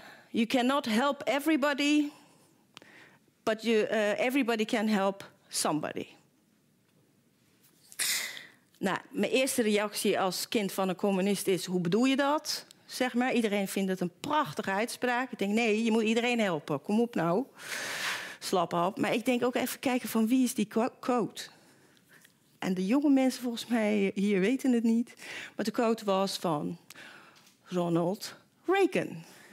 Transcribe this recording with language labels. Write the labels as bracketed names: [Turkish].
[English] You cannot help everybody, but everybody can help somebody. [Dutch] Nou, mijn eerste reactie als kind van een communist is: hoe bedoel je dat? Zeg maar, iedereen vindt het een prachtige uitspraak. Ik denk: nee, je moet iedereen helpen. Kom op nou. Slap op. Maar ik denk ook even kijken van wie is die quote? En de jonge mensen volgens mij hier weten het niet. Maar de quote was van Ronald Reagan.